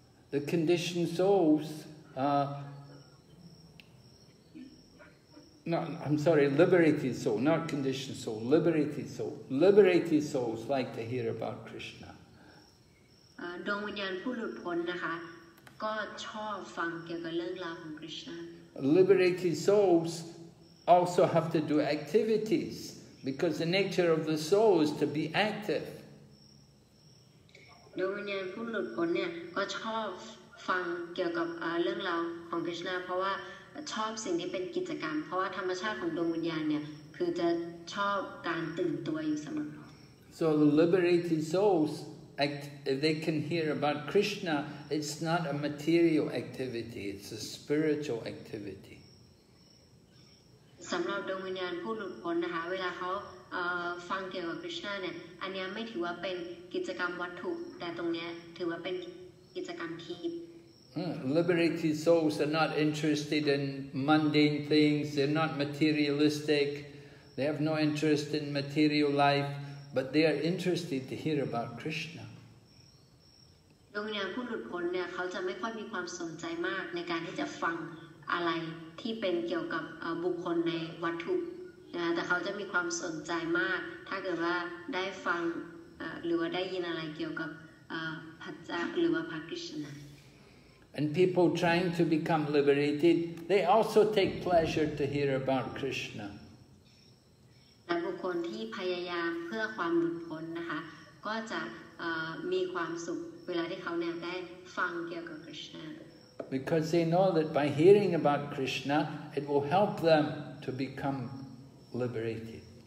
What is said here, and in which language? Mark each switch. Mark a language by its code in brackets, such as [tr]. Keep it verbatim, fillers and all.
[en] The conditioned souls, uh, no, I'm sorry, liberated soul, not conditioned soul, liberated soul. Liberated souls like to hear about Krishna. [th] ดวงวิญญาณผู้หลุดพ้นนะคะก็ชอบฟังเกี่ยวกับเรื่องราวของ Krishna. [en] Liberated souls also have to do activities because the nature of the soul is to be active. [th] ดวงวิญญาณผู้หลุดพ้นเนี่ยก็ชอบฟังเกี่ยวกับเรื่องราวของกฤษณะเพราะว่าชอบสิ่งที่เป็นกิจกรรมเพราะว่าธรรมชาติของดวงวิญญาณเนี่ยคือจะชอบการตื่นตัวอยู่เสมอ [en] So the liberated souls act, if they can hear about Krishna it's not a material activity it's a spiritual activity [th] สำหรับดวงวิญญาณผู้หลุดพ้นนะคะเวลาเขาฟังเกี่ยวกับกฤษณะเนี่ยอันนี้ไม่ถือว่าเป็นกิจกรรมวัตถุแต่ตรงนี้ถือว่าเป็นกิจกรรมทิพย์ [en] Mm, liberated souls are not interested in mundane things, they're not materialistic, they have no interest in material life, but they are interested to hear about Krishna. [th] ดวงวิญญาณผู้หลุดพ้นเนี่ยเขาจะไม่ค่อยมีความสนใจมากในการที่จะฟังอะไรที่เป็นเกี่ยวกับบุคคลในวัตถุนะแต่เขาจะมีความสนใจมากถ้าเกิดว่าได้ฟังหรือว่าได้ยินอะไรเกี่ยวกับพระเจ้าหรือว่าพระกฤษณะ [en] And people trying to become liberated, they also take pleasure to hear about Krishna. [th] และบุคคลที่พยายามเพื่อความหลุดพ้นนะคะก็จะมีความสุขเวลาที่เขาเนี่ยได้ฟังเกี่ยวกับ Krishna. [en] Because they know that by hearing about Krishna, it will help them to become liberated.